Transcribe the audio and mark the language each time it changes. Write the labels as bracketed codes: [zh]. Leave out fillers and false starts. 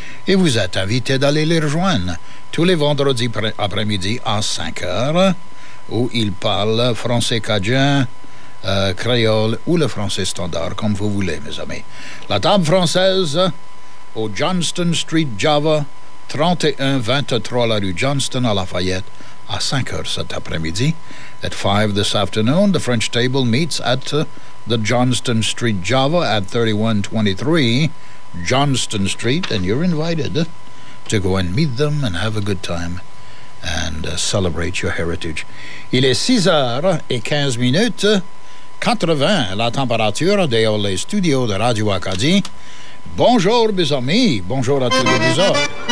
[fr] Et vous êtes invités d'aller les rejoindre tous les vendredis après-midi à 5h, où ils parlent français cajun, créole ou le français standard, comme vous voulez, mes amis. La table française au Johnston Street, Java, 3123 la rue Johnston à Lafayette, à 5h cet après-midi. [en] At 5 this afternoon, the French table meets at the Johnston Street, Java, at 3123 Johnston Street, and you're invited to go and meet them and have a good time and celebrate your heritage. [fr] Il est 6h15, 80, la température dehors les studios de Radio Acadie. Bonjour, mes amis. Bonjour à tous les autres.